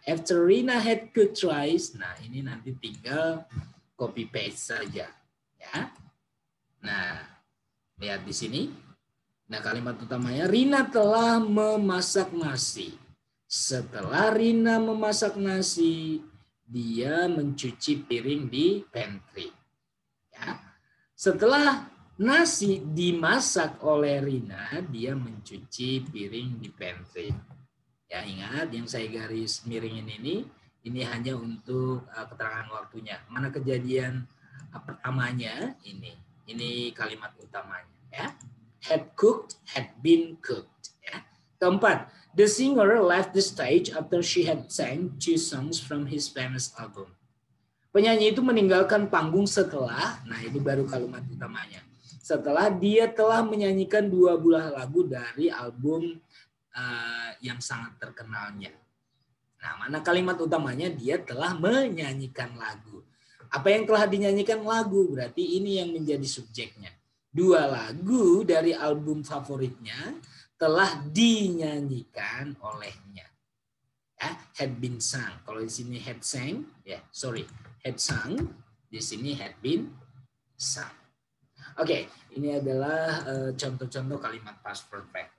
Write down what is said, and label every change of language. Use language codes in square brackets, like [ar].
[en] After Rina had cooked rice. [id] Nah, ini nanti tinggal copy paste saja, ya. Nah, lihat di sini. Nah, kalimat utamanya, Rina telah memasak nasi. Setelah Rina memasak nasi, dia mencuci piring di pantry. Ya. Setelah nasi dimasak oleh Rina, dia mencuci piring di pantry. Ya, ingat yang saya garis miringin ini hanya untuk keterangan waktunya. Mana kejadian pertamanya ini? Ini kalimat utamanya, ya. [en] Had cooked, had been cooked. [id] Ya. Keempat, [en] the singer left the stage after she had sang 2 songs from his famous album. [id] Penyanyi itu meninggalkan panggung setelah, nah ini baru kalimat utamanya, setelah dia telah menyanyikan 2 buah lagu dari album yang sangat terkenalnya. Nah, mana kalimat utamanya? Dia telah menyanyikan lagu. Apa yang telah dinyanyikan? Lagu, berarti ini yang menjadi subjeknya. 2 lagu dari album favoritnya telah dinyanyikan olehnya. [en] Ya, had been sung. [id] Kalau di sini [en] had sang, ya, sorry, had sung. [id] Di sini [en] had been sung. [id] Oke, ini adalah contoh-contoh kalimat past perfect.